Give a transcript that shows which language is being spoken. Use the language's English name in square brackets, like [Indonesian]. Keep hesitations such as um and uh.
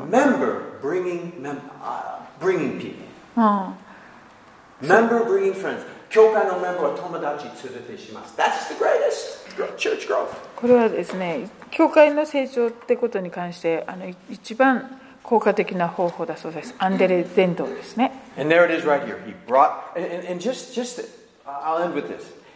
[English] メンバー、bringing、bringing people。 メンバー、bringing friends。 [Japanese] 教会のメンバーは友達連れてします。 [English] That's the greatest church growth。 [Japanese] これはですね、教会の成長ってことに関して、あの一番効果的な方法だそうです。アンデレ伝道ですね。 [English] And there it is right here. He brought, and, and just, just, I'll end with this.